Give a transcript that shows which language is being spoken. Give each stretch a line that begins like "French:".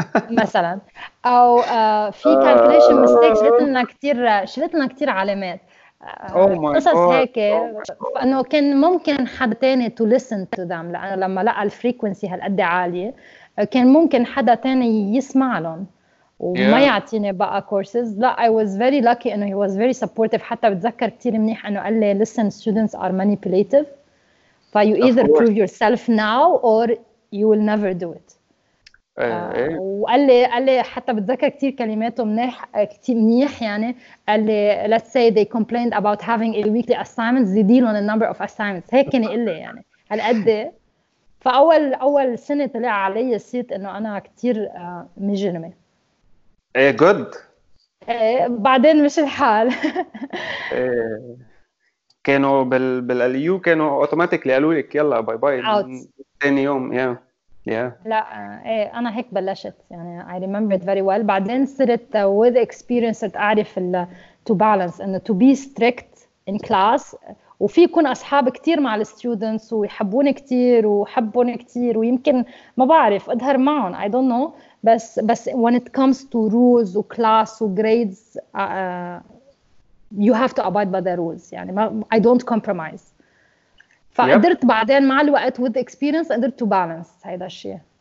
Arabic: مثلاً أو في calculation mistakes شلت لنا كتير علامات قصص هيك إنه كان ممكن حد تاني
English: to listen to them
Arabic: لأنه لما لقى الفريكونسي هالقد عالية كان ممكن حدا تاني يسمع لهم وما يعطيني بقى courses لا
English: I was very lucky
Arabic: إنه
English: he was very supportive
Arabic: حتى بتذكر كتير منيح إنه قال لي
English: listen students are manipulative but you either prove yourself now or you will never do it
Arabic: ايه وقال لي، قال لي حتى بتذكر كتير كلماته منيح كتير منيح يعني. قال لي
English: let's say they complained about having a weekly assignments, they deal on the number of assignments.
Arabic: هيك كان يقول لي يعني على قد ايه. فاول اول سنه طلع علي سيت انه انا كتير مجرمه. ايه جود. ايه بعدين مش الحال. كانوا بالاليو كانوا اوتوماتيكلي قالوا لك يلا باي باي
English: out
Arabic: ثاني يوم. يا لا ايه انا هيك بلشت يعني.
English: I remember it very well.
Arabic: بعدين صرت
English: with experience
Arabic: اعرف ال
English: to balance and to be strict in class.
Arabic: وفي يكون اصحاب كثير مع الستودنتس ويحبوني كثير وحبوني كثير ويمكن ما بعرف اظهر معهم
English: I don't know. بس بس when it comes to rules و class و grades you have to abide by the rules يعني I don't compromise.
Arabic: فقدرت بعدين مع الوقت
English: with experience
Arabic: قدرت
English: to balance
Arabic: هيدا الشيء.